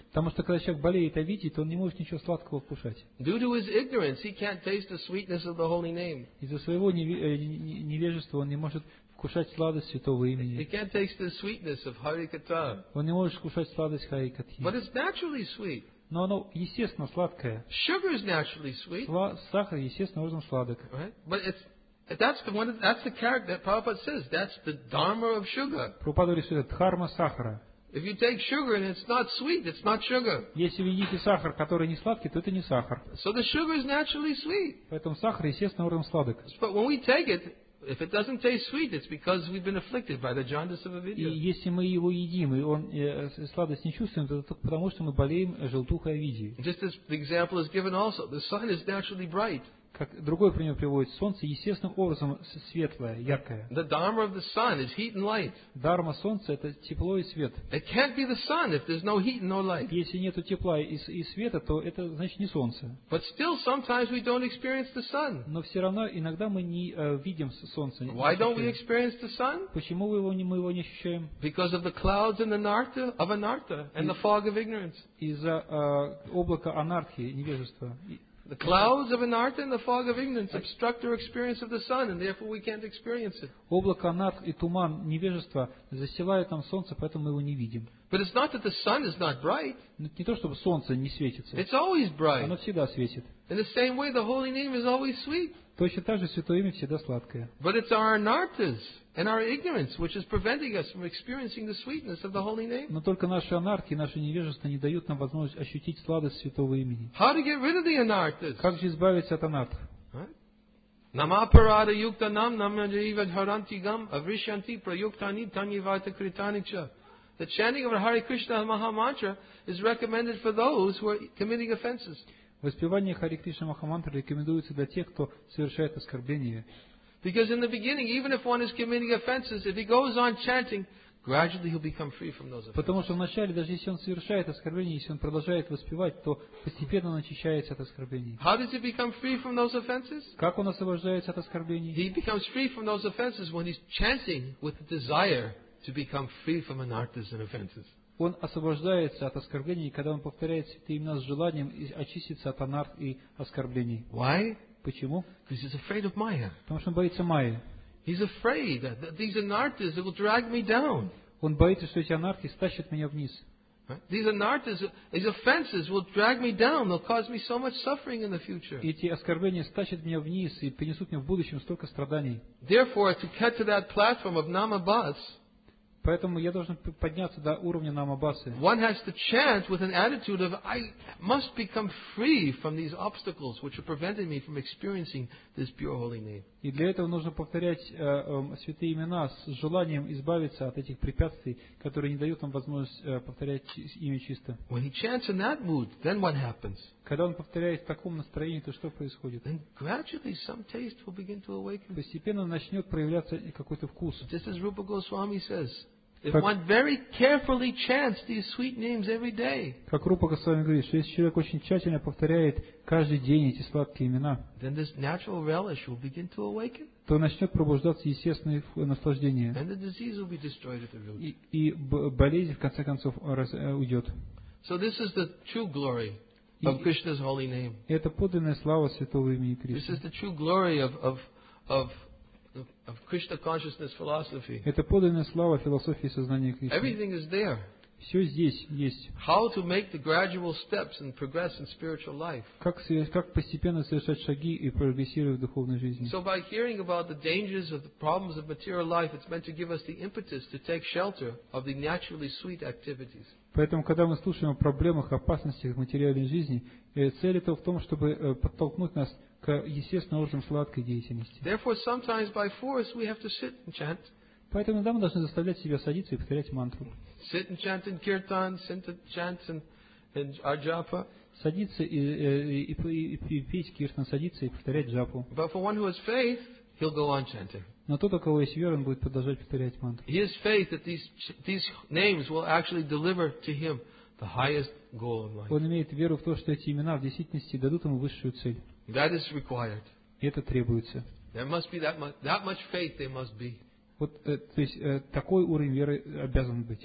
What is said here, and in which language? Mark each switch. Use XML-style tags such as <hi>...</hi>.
<ru>Потому что когда человек болеет авидией, то он не может ничего сладкого вкушать.</ru> <en>Due to his ignorance, he can't taste the sweetness of the holy name.</en> <ru>Из-за своего невежества он не может вкушать сладость святого имени.</ru> <en>He can't taste the sweetness of Hari Katha.</en> <ru>Он не может вкушать сладость Хари Катхи.</ru> <en>But it's naturally sweet.</en> <ru>Но оно естественно сладкое.</ru> <en>Sugar is naturally sweet.</en> <ru>Сахар естественно образом сладок.</ru> <en>But that's the character that Prabhupada says. That's the dharma of sugar.</en> <ru>Прабхупада говорит, что это дхарма сахара.</ru> <en>If you take sugar and it's not sweet, it's not sugar.</en> <ru>Если вы едите сахар, который не сладкий, то это не сахар.</ru> <en>So the sugar is naturally sweet.</en> <ru>Поэтому сахар естественно образом сладок.</ru> <en>But when we take it, if it doesn't taste sweet, it's because we've been afflicted by the jaundice of avidya.</en> <ru>И если мы его едим, и он сладость не чувствуем, то только потому, что мы болеем желтухой авидии.</ru> <en>Just as the example is given also, the sun is naturally bright.</en> <ru>Как другой пример приводит, солнце естественным образом светлое, яркое.</ru> <en>The dharma of the sun is heat and light.</en> <ru>Дхарма солнца это тепло и свет.</ru> <en>It can't be the sun if there's no heat and no light.</en> <ru>Если нету тепла и света, то это значит не солнце.</ru> <en>But still, sometimes we don't experience the sun.</en> <ru>Но все равно иногда мы не видим солнце.</ru> <en>Why don't we experience the sun?</en> <ru>Почему мы его не ощущаем?</ru> <en>Because of the clouds and the anartha of anartha and the fog of ignorance.</en> <ru>Из-за облака анартхи, невежества.</ru> <en>The clouds of anartha and the fog of ignorance obstruct our experience of the sun, and therefore we can't experience it.</en> <ru>Облако анартх и туман невежества застилают нам солнце, поэтому мы его не видим.</ru> <en>But it's not that the sun is not bright.</en> <ru>Не то чтобы солнце не светится.</ru> <en>It's always bright.</en> <ru>Оно всегда светит.</ru> <en>In the same way, the holy name is always sweet.</en> <ru>Точно так же святое имя всегда сладкое.</ru> <en>But it's our anarthas and our ignorance which is preventing us from experiencing the sweetness of the holy name.</en> <ru>Но только наши анархи, наше невежество не дают нам возможность ощутить сладость святого имени.</ru> <en>How to get rid of the anarthas?</en> <ru>Как же избавиться от анарх?</ru> <sa>Намапарада юкта нам намаджива дхаранти гам аврищанти праюктани таньевата кританича.</sa> <en>The chanting of Hare Krishna Maha Mantra is recommended for those who are committing offenses.</en> <ru>Воспевание Хари Кришна Маха Мантры рекомендуется для тех, кто совершает оскорбление.</ru> <en>Because in the beginning, even if one is committing offenses, if he goes on chanting, gradually he'll become free from those offenses.</en> <ru>Потому что вначале, даже если он совершает оскорбление, если он продолжает воспевать, то постепенно он очищается от оскорблений.</ru> <en>How does he become free from those offenses?</en> <ru>Как он освобождается от оскорблений?</ru> <en>He becomes free from those offenses when he's chanting with the desire to become free from anarthas and offenses.</en> <ru>Он освобождается от оскорблений, когда он повторяет святые имена с желанием очиститься от анарт и оскорблений.</ru> <en>Why?</en> <ru>Почему?</ru> <en>Because he's afraid of Maya.</en> <ru>Потому что он боится Майи.</ru> <en>He's afraid that these anarthas will drag me down.</en> <ru>Он боится, что эти анарты стащат меня вниз.</ru> <en>These anarthas, these offenses will drag me down. They'll cause me so much suffering in the future.</en> <ru>Эти оскорбления стащат меня вниз и принесут мне в будущем столько страданий.</ru> <en>Therefore, to get to that platform of Namabhas,</en> <ru>поэтому я должен подняться до уровня Намабасы.</ru> <en>One has to chant with an attitude of I must become free from these obstacles which are preventing me from experiencing this pure holy name.</en> <ru>И для этого нужно повторять святые имена с желанием избавиться от этих препятствий, которые не дают нам возможность повторять имя чисто.</ru> <en>When he chants in that mood, then what happens?</en> <ru>Когда он повторяет в таком настроении, то что происходит?</ru> <en>Then gradually some taste will begin to awaken.</en> <ru>Постепенно начнет проявляться какой-то вкус.</ru> <en>Just as Rupa Goswami says, if one very carefully chants these sweet names every day,</en> <ru>как Рупа Госвами говорит, что если человек очень тщательно повторяет каждый день эти сладкие имена,</ru> <en>then this natural relish will begin to awaken,</en> <ru>то начнет пробуждаться естественное наслаждение,</ru> <en>and the disease will be destroyed at the root.</en> <ru>И болезнь в конце концов уйдет.</ru> <en>So this is the true glory of Krishna's holy name.</en> <ru>Это подлинная слава святого имени Кришны.</ru> <en>This is the true glory of Krishna consciousness philosophy.</en> <ru>Это подлинная слава философии сознания Кришны.</ru> <en>Everything is there.</en> <ru>Все здесь есть.</ru> <en>How to make the gradual steps and progress in spiritual life?</en> <ru>Как постепенно совершать шаги и прогрессировать в духовной жизни?</ru> <en>So by hearing about the dangers of the problems of material life, it's meant to give us the impetus to take shelter of the naturally sweet activities.</en> <ru>Поэтому, когда мы слушаем о проблемах, опасностях материальной жизни, цель этого в том, чтобы подтолкнуть нас к естественно уровню сладкой деятельности.</ru> <en>Therefore, sometimes by force we have to sit and chant.</en> <ru>Поэтому иногда мы должны заставлять себя садиться и повторять мантру.</ru> <en>Sit and chant in kirtan, sit and chant in our japa.</en> <ru>Садиться и петь киртан, садиться и повторять джапу.</ru> <en>But for one who has faith, he'll go on chanting.</en> <ru>Но тот, у кого есть вера, он будет продолжать повторять мантру.</ru> <en>His faith that these names will actually deliver to him the highest goal in life.</en> <ru>Он имеет веру в то, что эти имена в действительности дадут ему высшую цель.</ru> <en>That is required.</en> <ru>Это требуется.</ru> <en>There must be that much faith they must be.</en> <ru>Вот, то есть такой уровень веры обязан быть.</ru>